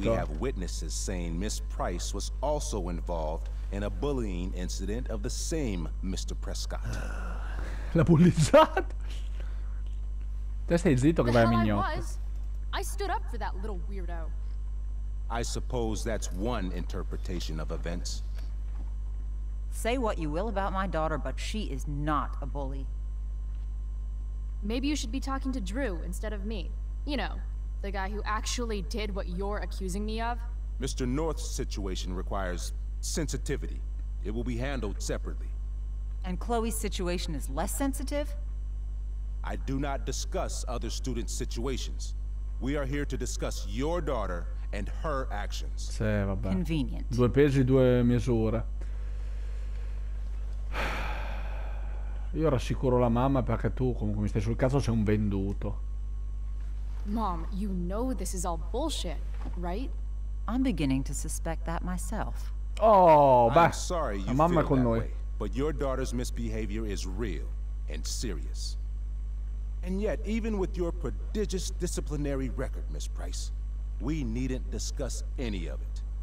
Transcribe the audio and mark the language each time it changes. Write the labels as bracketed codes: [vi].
[en] We have witnesses saying Miss Price was also involved in a bullying incident of the same Mr. Prescott. [it] La bullizzata. Te stai zitto che vai a mignotte. [en] I stood up for that little weirdo. I suppose that's one interpretation of events. Say what you will about my daughter, but she is not a bully. Maybe you should be talking to Drew instead of me. You know, the guy who actually did what you're accusing me of. Mr. North's situation requires sensitivity. It will be handled separately. And Chloe's situation is less sensitive? I do not discuss other students' situations. We are here to discuss your daughter and her actions. [it] Sì, vabbè. [en] Convenient. [it] Due pesi, due misure. Io rassicuro la mamma perché tu comunque mi stai sul cazzo, sei un venduto. [en] Mom, you know this is all bullshit, right? I'm beginning to suspect that myself. [it] Oh, beh. [en] I'm sorry, [it] la mamma è con noi. [en] Way, but your daughter's misbehavior is real and serious. And yet, even with your prodigious disciplinary record, Miss Price, we needn't discuss any of it.